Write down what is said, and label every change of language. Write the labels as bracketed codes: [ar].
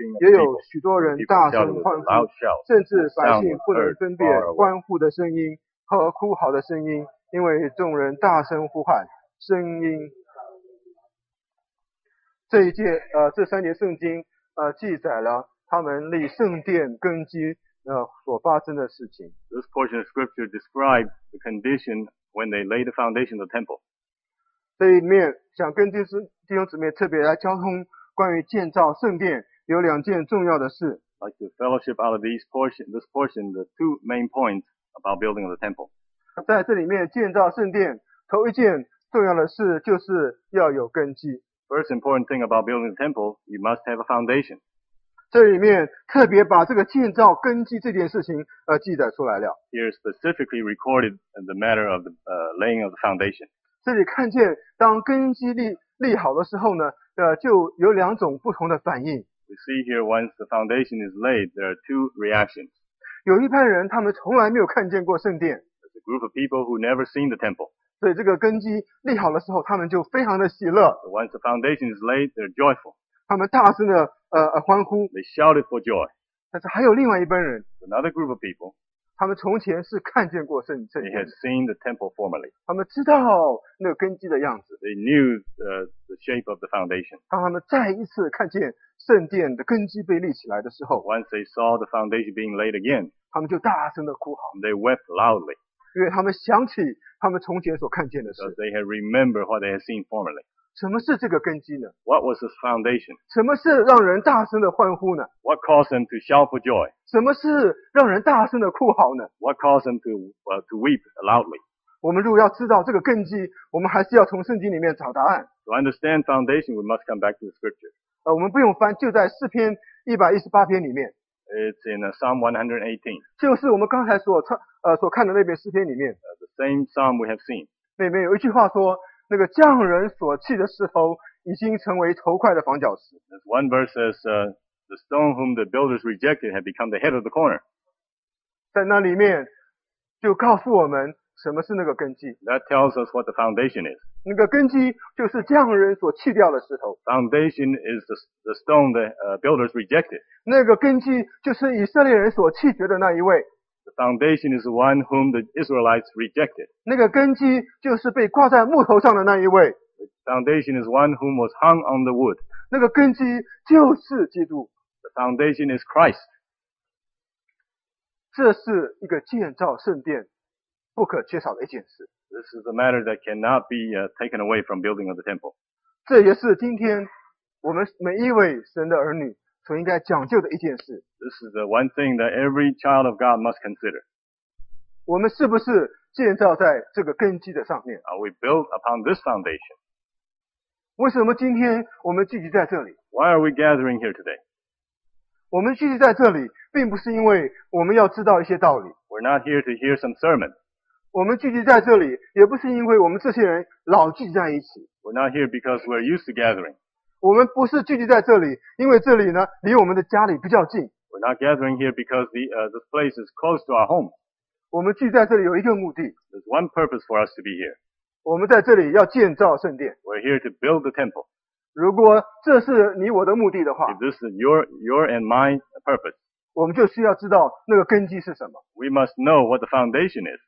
[zh] 也有许多人大声欢呼，甚至百姓不能分辨欢呼的声音和哭嚎的声音，因为众人大声呼喊，声音。这一届这三节圣经记载了他们立圣殿根基所发生的事情。 [en] This portion of scripture describes the condition when they laid the foundation of the temple. [zh] 这一面想跟弟兄姊妹特别来交通关于建造圣殿有两件重要的事。 [en] Like the fellowship out of this portion, the two main points about building of the temple. [zh] 在这里面建造圣殿，头一件重要的事就是要有根基。 [en] First important thing about building the temple, you must have a foundation. [zh] 这里面特别把这个建造根基这件事情记载出来了。 [en] Here specifically recorded the matter of the laying of the foundation. [zh] 这里看见当根基立好的时候呢，就有两种不同的反应。 [en] We see here once the foundation is laid, there are two reactions. [zh] 有一派人他们从来没有看见过圣殿。 [en] There's a group of people who never seen the temple. [zh] 所以这个根基立好的时候，他们就非常的喜乐。 [en] So、once the foundation is laid, they're joyful. [zh] 他们大声的欢呼。 [en] They shouted for joy. [zh] 但是还有另外一班人。 [en] Another group of people. [zh] 他们从前是看见过圣殿。 [en] They had seen the temple formerly. [zh] 他们知道那个根基的样子。 [en] They knew the shape of the foundation. [zh] 当他们再一次看见圣殿的根基被立起来的时候， [en] once they saw the foundation being laid again, [zh] 他们就大声的哭嚎。 [en] They wept loudly. [zh] 因为他们想起他们从前所看见的事。 [en] Because they had remembered what they had seen formerly. [zh] 什么是这个根基呢？ [en] What was this foundation? [zh] 什么是让人大声的欢呼呢？ [en] What caused them to shout for joy? [zh] 什么是让人大声的哭嚎呢？ [en] What caused them to weep loudly? [zh] 我们如果要知道这个根基，我们还是要从圣经里面找答案。 [en] To understand foundation, we must come back to the scripture. [zh] 我们不用翻，就在诗篇118篇里面。 [en] It's in Psalm 118. [zh] 就是我们刚才所看的那篇诗篇里面。 [en] The same psalm we have seen. [zh] 那边有一句话说，那个匠人所砌的石头已经成为头块的房角石。 [en] There's one verse says, the stone whom the builders rejected had become the head of the corner. [zh] 在那里面就告诉我们什么是那个根基。 [en] That tells us what the foundation is. [zh] 那个根基就是匠人所砌掉的石头。 [en] Foundation is the stone the builders rejected. [zh] 那个根基就是以色列人所弃绝的那一位。 [en] The foundation is the one whom the Israelites rejected. [zh] 那个根基就是被挂在木头上的那一位。 [en] The foundation is one whom was hung on the wood. [zh] 那个根基就是基督。 [en] The foundation is Christ. [zh] 这是一个建造圣殿不可缺少的一件事。 [en] This is a matter that cannot be taken away from building of the temple. [zh] 这也是今天我们每一位神的儿女所应该讲究的一件事。 [en] This is the one thing that every child of God must consider. [zh] 我们是不是建造在这个根基的上面？ [en] Are we built upon this foundation? [zh] 为什么今天我们聚集在这里？ [en] Why are we gathering here today? [zh] 我们聚集在这里并不是因为我们要知道一些道理。 [en] We're not here to hear some sermon. [zh] 我们聚集在这里也不是因为我们这些人老聚集在一起。 [en] We're not here because we're used to gathering. [zh] 我们不是聚集在这里因为这里呢离我们的家里比较近。 [en] We're not gathering here because the place is close to our home. [zh] 我们聚在这里有一个目的。 [en] There's one purpose for us to be here. [zh] 我们在这里要建造圣殿。 [en] We're here to build the temple. [zh] 如果这是你我的目的的话， [en] If this is your and my purpose, [zh] 我们就需要知道那个根基是什么。 [en] We must know what the foundation is.